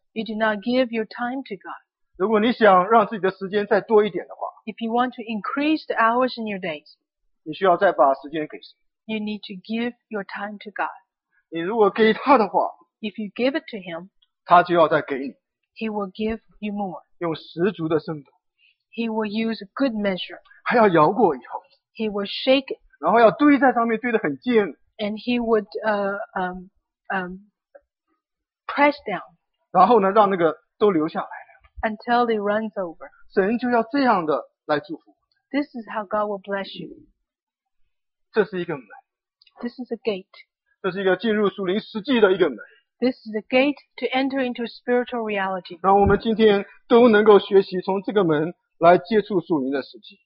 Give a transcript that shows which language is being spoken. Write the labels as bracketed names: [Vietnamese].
[English] You do not give your time to God. [Chinese] 如果你想让自己的时间再多一点的话 [English] If you want to increase the hours in your days, [Chinese] 你需要再把时间给神 [English] You need to give your time to God. [Chinese] 你如果给他的话 [English] If you give it to him, [Chinese] 他就要再给你 [English] He will give you more. [Chinese] 用十足的圣度 [English] He will use a good measure. [Chinese] 还要摇过以后 [English] He would shake it. [Chinese] 然后要堆在上面堆得很尖 [English] And he would press down. [Chinese] 然后呢让那个都流下来了 [English] Until it runs over. [Chinese] 神就要这样的来祝福 [English] This is how God will bless you. [Chinese] 这是一个门 [English] This is a gate. [Chinese] 这是一个进入属灵实际的一个门 [English] This is a gate to enter into spiritual reality. [Chinese] 让我们今天都能够学习从这个门来接触属灵的实际。